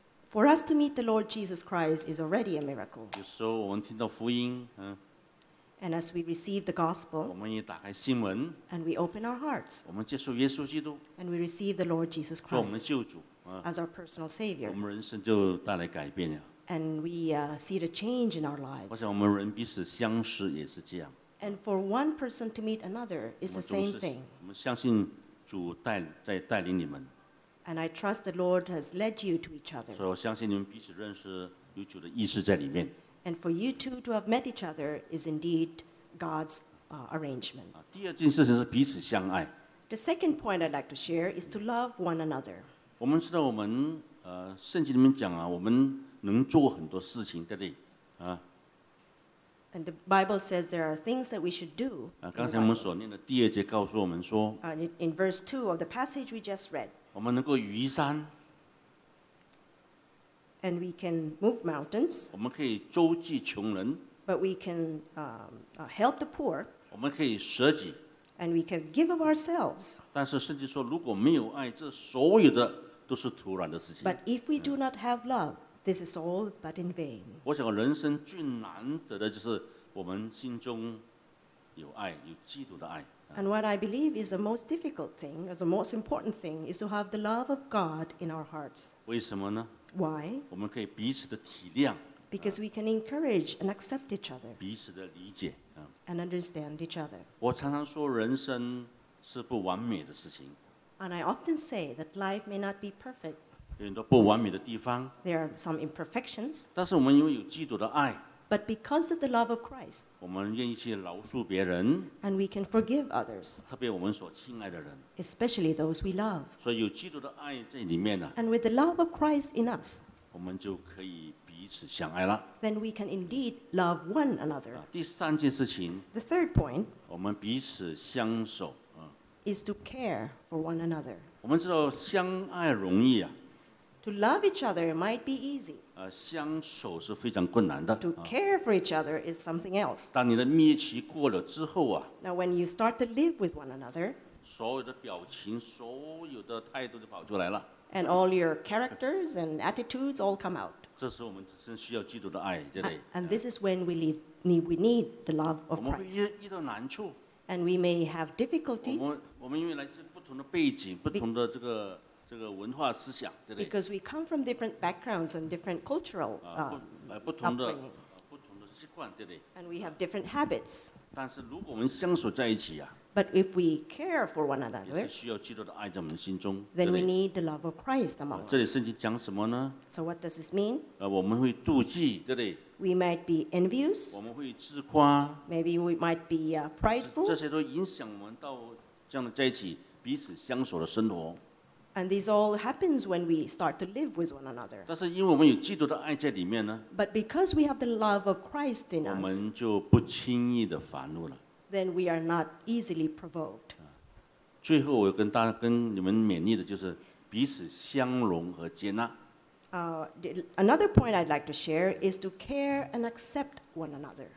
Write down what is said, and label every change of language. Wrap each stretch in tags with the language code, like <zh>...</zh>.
<en>For us to meet the Lord Jesus Christ is already a miracle.</en> <zh>有时候我们听到福音，嗯。</zh> <en>And as we receive the gospel,</en> <zh>我们也打开心门。</zh> <en>And we open our hearts.</en> <zh>我们接受耶稣基督。</zh> <en>And we receive the Lord Jesus Christ.</en> <zh>做我们救主，嗯。</zh> <en>As our personal Savior.</en> <zh>我们人生就带来改变了。</zh> <en>And we see the change in our lives.</en> <zh>我想我们人彼此相识也是这样。</zh> <en>And for one person to meet another is the same thing.</en> <zh>我们相信。主带领你们。</zh> <en>And I trust the Lord has led you to each other.</en> <zh>所以我相信你们彼此认识有主的意思在里面。</zh> <en>And for you two to have met each other is indeed God's arrangement.</en> <zh>第二件事情是彼此相爱。</zh> <en>The second point I'd like to share is to love one another.</en> <zh>我们知道我们圣经里面讲啊，我们能做很多事情，对不对？啊。</zh> <en>And the Bible says there are things that we should do.</en> <zh>刚才我们所念的第二节告诉我们说</zh> <en>in verse 2 of the passage we just read,</en> <zh>我们能够移山</zh> <en>and we can move mountains,</en> <zh>我们可以周济穷人</zh> <en>but we can help the poor,</en> <zh>我们可以舍己</zh> <en>and we can give of ourselves.</en> <zh>但是圣经说如果没有爱这所有的都是徒然的事情</zh> <en>but if we do not have love,This is all but in vain.</en> <zh>我想人生最难得的就是我们心中有爱，有基督的爱。</zh> <en>And what I believe is the most difficult thing, or the most important thing, is to have the love of God in our hearts.</en> <zh>为什么呢</zh> <en>？Why?</en> <zh>我们可以彼此的体谅。</zh> <en>Because we can encourage and accept each other.</en> <zh>彼此的理解。</zh> <en>And understand each other.</en> <zh>我常常说人生是不完美的事情。</zh> <en>And I often say that life may not be perfect.</en> <zh>有很多不完美的地方</zh> <en>There are some imperfections.</en> <zh>但是我们因为有基督的爱</zh> <en>But because of the love of Christ,</en> <zh>我们愿意去饶恕别人</zh> <en>And we can forgive others.</en> <zh>特别我们所亲爱的人</zh> <en>Especially those we love.</en> <zh>所以有基督的爱在里面呢</zh> <en>And with the love of Christ in us,</en> <zh>我们就可以彼此相爱了</zh> <en>Then we can indeed love one another.</en> <zh>第三件事情</zh> <en>The third point,</en> <zh>我们彼此相守</zh> <en>is to care for one another.</en> <zh>我们知道相爱容易啊</zh> <en>To love each other might be easy.</en> <zh>相守是非常困难的。</zh> <en>To care for each other is something else.</en> <zh>当你的蜜月期过了之后啊</zh> <en>Now when you start to live with one another,</en> <zh>所有的表情，所有的态度就跑出来了。</zh> <en>And all your characters and attitudes all come out.</en> <zh>这时候我们真需要基督的爱，对不对</zh> <en>And this is when we need the love of Christ.</en> <zh>我们会遇到难处。</zh> <en>And we may have difficulties.</en> <zh>我们因为来自不同的背景，不同的这个。这个文化思想，对不对</zh> <en>Because we come from different backgrounds and different cultural upbringing.</en> <zh>不同的习惯，对不对</zh> <en>And we have different habits.</en> <zh>但是如果我们相守在一起啊</zh> <en>But if we care for one another,</en> <zh>也是需要基督的爱在我们心中</zh> <en>then we need the love of Christ among us.</en> <zh>这里圣经讲什么呢</zh> <en>So what does this mean?</en> <zh>我们会妒忌，对不对</zh> <en>We might be envious.</en> <zh>我们会自夸</zh> <en>Maybe we might be prideful.</en> <zh>这些都影响我们到这样的在一起彼此相守的生活。</zh> <en>And this all happens when we start to live with one another.</en> <zh>但是因为我们有基督的爱在里面呢</zh> <en>But because we have the love of Christ in us,</en> <zh>我们就不轻易的发怒了</zh> <en>Then we are not easily provoked.</en> <zh>最后我跟大家跟你们勉励的就是彼此相容和接纳</zh> <en>Another point I'd like to share is to care and accept one another.</en>